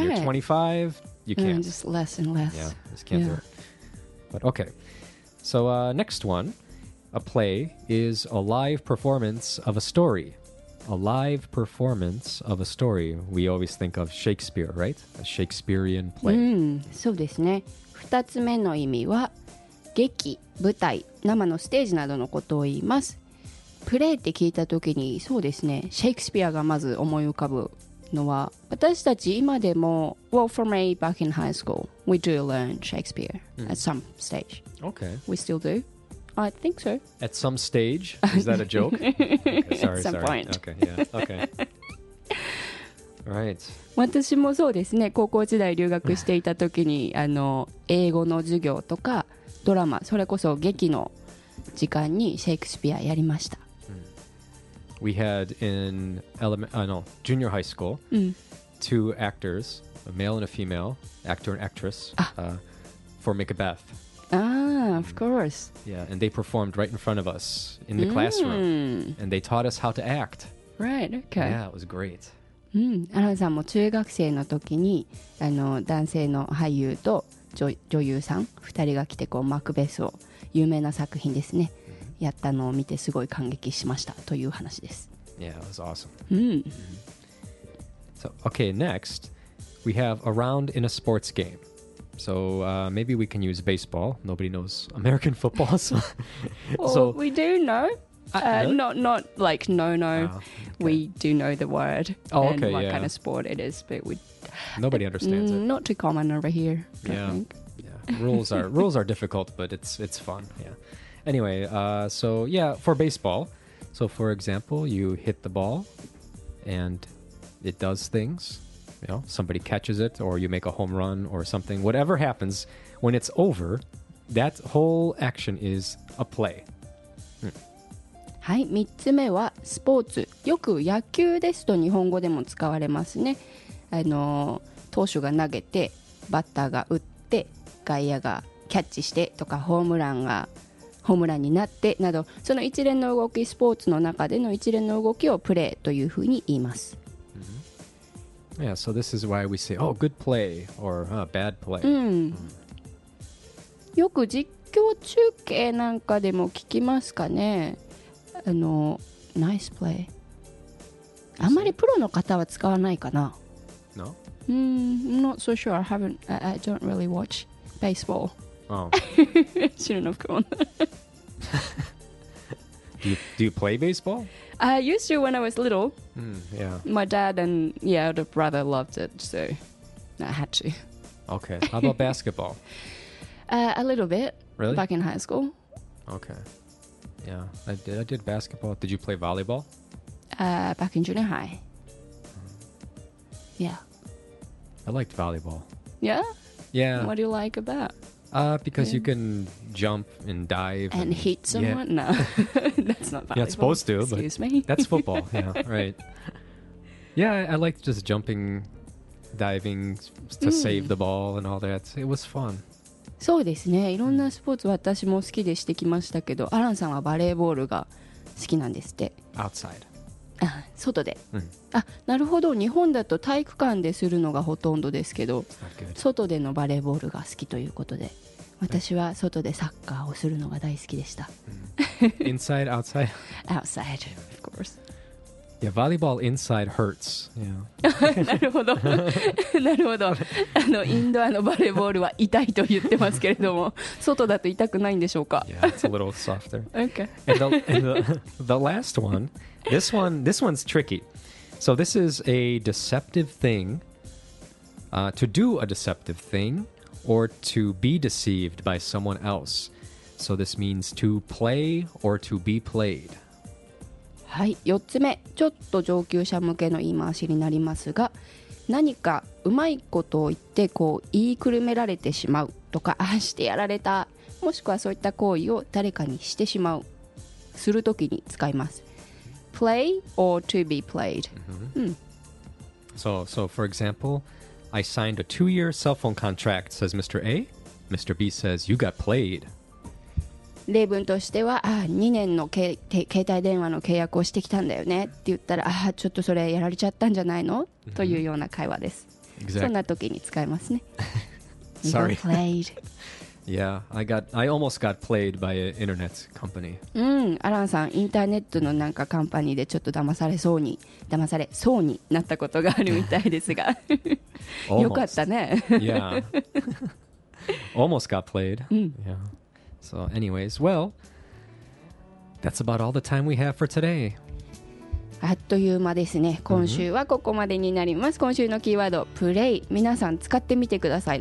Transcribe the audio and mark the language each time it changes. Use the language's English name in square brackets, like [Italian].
[English] When you're 25, you can't. Just less and less. Yeah, just can't do it. But okay. So next one, a play is a live performance of a story. A live performance of a story. We always think of Shakespeare, right? A Shakespearean play. [Japanese] そうですね。 2つ目の意味は劇、舞台、生のステージなどのことを言います。プレイって聞いた時にそうですね、シェイクスピアがまず思い浮かぶのは私たち今でも [English] Well, for me, back in high school, we do learn Shakespeare at some stage. Okay. We still do? I think so. At some stage? Is that a joke? Okay, sorry, at some point. Okay, yeah, okay. Right. [Japanese] 私もそうですね高校時代留学していた時にあの英語の授業とかドラマそれこそ劇の時間にシェイクスピアやりました、 [English] We had in junior high school、two actors, a male and a female, actor and actress、for Macbeth. Of course. Yeah, and they performed right in front of us in the classroom. And they taught us how to act. Right, okay. Yeah, it was great. [Japanese] アランさんも中学生の時にあの男性の俳優と 女優さん2人が来てこうマクベスを有名な作品ですね、やったのを見てすごい感激しましたという話です [English] Yeah, that was awesome、 So, okay, next we have a round in a sports game So, maybe we can use baseball Nobody knows American football So, we do know not like no oh, okay. We do know the word oh, okay, and what yeah. kind of sport it is but we nobody understands it not too common over here I yeah. think yeah. rules are difficult but it's fun yeah anyway so yeah for baseball so for example you hit the ball and it does things you know somebody catches it or you make a home run or something whatever happens when it's over that whole action is a play [Japanese] はい、3つ目はスポーツ。よく野球ですと日本語でも使われますね。投手が投げて、バッターが打って、外野がキャッチしてとか、ホームランになってなど、その一連の動き、スポーツの中での一連の動きをプレーというふうに言います。 [English] Yeah, so this is why we say, oh, good play or bad play. [Japanese] よく実況中継なんかでも聞きますかね。 [English] Nice play. [Japanese] あんまりプロの方は使わないかな [English] No? I'm not so sure. I don't really watch baseball. Oh. Shouldn't have gone. Do you play baseball? I used to when I was little. My dad and older brother loved it, so I had to. Okay. How about basketball? A little bit. Really? Back in high school. Okay. Yeah, I did basketball. Did you play volleyball? Back in junior high. Yeah. I liked volleyball. Yeah? Yeah. What do you like about? Because you can jump and dive. And hit someone? Yeah. No. That's not volleyball. Yeah, supposed to. But Excuse me. That's football. Yeah, right. Yeah, I liked just jumping, diving to save the ball and all that. It was fun. [Japanese] そうですね。いろんなスポーツ私も好きでしてきましたけど、アランさんはバレーボールが好きなんですって。 [English] Outside. [Japanese] 外で。なるほど。日本だと体育館でするのがほとんどですけど、外でのバレーボールが好きということで、私は外でサッカーをするのが大好きでした。 [English] Inside, outside? Outside, of course. Yeah, volleyball inside hurts. [Japanese] なるほど。なるほど。インドアのバレーボールは痛いと言ってますけれども、外だと痛くないんでしょうか? [English] Yeah, it's a little softer. Okay. And the last one, this one's tricky. So this is a deceptive thing, to do a deceptive thing, or to be deceived by someone else. So this means to play or to be played. [Japanese] はい、4つ目ちょっと上級者向けの言い回しになりますが何かうまいことを言ってこう言いくるめられてしまうとか、ああしてやられた、もしくはそういった行為を誰かにしてしまう、するときに使います。 [English] play or to be played、mm-hmm. [Japanese] うん、 [English] So for example, I signed a 2-year cell phone contract, says Mr. A. Mr. B says, you got played. [Japanese] 例文としては、ああ2年の携帯電話の契約をしてきたんだよねって言ったら、ああちょっとそれやられちゃったんじゃないの、mm-hmm. というような会話です。 [English] exactly. [Japanese] そんな時に使いますね。 [English] Sorry. You got played. Yeah, I almost got played by an internet company. [Japanese] アランさん、インターネットのなんかカンパニーでちょっと騙されそうになったことがあるみたいですが。よかったね。 [English] Yeah. Almost got played. Yeah. So anyways, well, that's about all the time we have for today. [Japanese] あっという間ですね。今週はここまでになります。Mm-hmm. 今週のキーワード、プレイ。皆さん使ってみてください。